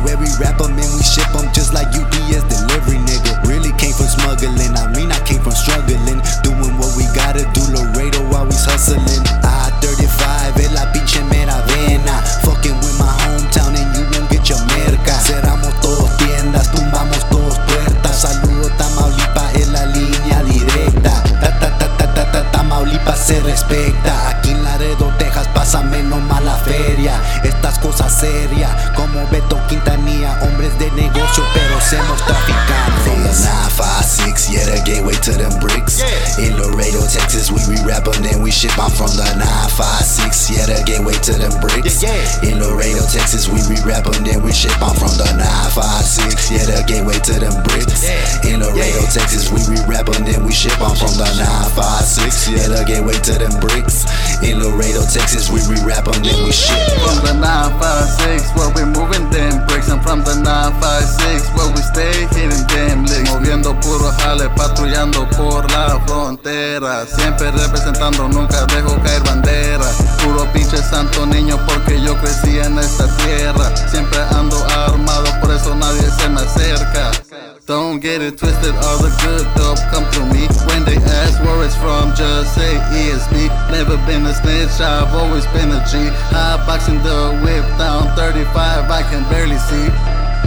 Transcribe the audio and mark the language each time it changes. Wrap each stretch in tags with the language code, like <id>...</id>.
<en>Where we rap them and we ship them just like UPS delivery, nigga. Really came from smuggling, I mean I came from struggling. Doing what we gotta do, Laredo always hustling. I-35, El Apiche and Meravena. Fucking with my hometown and you won't get your merca.</en> <es>Cerramos todos tiendas, tumbamos todos puertas. Saludo Tamaulipa, en la línea directa. Ta-ta-ta-ta-ta, Tamaulipa se respecta. Aquí en Laredo, Texas, pásame nomás la feria. Estas cosas serias, como Beto Quintanilla. Hombres de negocio, pero somos traficantes.</es> <en>From the 956, yeah, the gateway to them bricks. In Laredo, Texas, we be rapping and we ship. I'm from the 956, yeah, the gateway to them bricks. In Laredo, Texas, we be rapping and we ship. I'm from the 956, yeah, the gateway to them bricks. In Laredo, Texas, we be rapping and we ship. I'm from the 956, yeah, the gateway to them bricks. In Laredo, Texas, we be rapping and we ship. From the 956, where we moving them bricks. I'm from the 956, where we stay hitting them licks.</en> <es>Moviendo puro jale, patrullando por la frontera. Siempre representando, nunca dejo caer bandera. Puro pinche santo niño, porque yo crecí en esta tierra. Siempre ando armado, por eso nadie se me acerca.</es> <en>Don't get it twisted, all the good dope come to me. When they ask where it's from, just say ESB. Never been a snitch, I've always been a G. Hotboxing the whip down 35, I can barely see.</en>